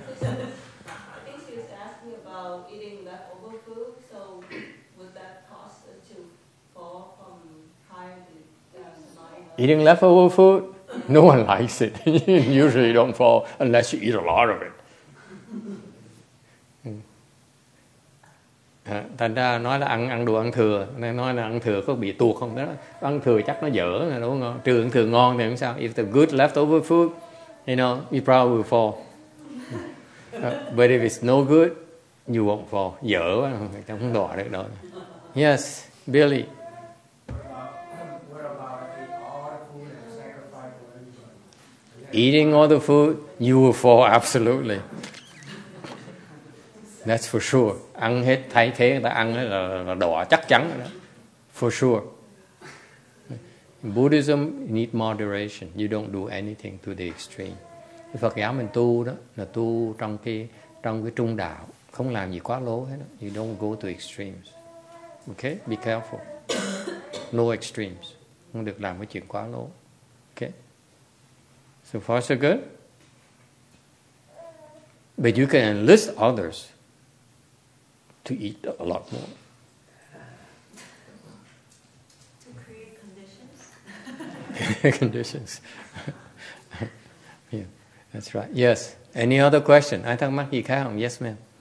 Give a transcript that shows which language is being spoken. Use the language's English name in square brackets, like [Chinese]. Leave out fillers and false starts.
[English] I think she was asking about eating leftover food. So would that cause it to fall from higher? Eating leftover food, no one likes it. You usually don't fall unless you eat a lot of it. [Vietnamese] Thành ra nói là ăn đồ ăn thừa, nói là ăn thừa có bị tuột không? Đó, ăn thừa chắc nó dở, đúng không? Trừ ăn thừa ngon thì không sao. [English] If the good leftover food. You probably will fall. But if it's no good, you won't fall. [Vietnamese] Dở quá, không đọa được đâu. [English] Yes, Billy. What about eating all the food and sacrifice for everybody? Eating all the food, you will fall, absolutely. That's for sure. [Vietnamese] Ăn hết thay thế người ta ăn là đỏ chắc chắn rồi đó. [English] For sure. In Buddhism need moderation. You don't do anything to the extreme. [Vietnamese] Thì Phật giáo mình tu đó là tu trong cái trung đạo, không làm gì quá lố hết đó. [English] You don't go to extremes. Okay? Be careful. No extremes. [Vietnamese] Không được làm cái chuyện quá lố. [English] Okay? So far so good. But you can enlist others to eat a lot more. conditions. Yeah, that's right. Yes. Any other question? I thank Maki Kang. Yes, ma'am.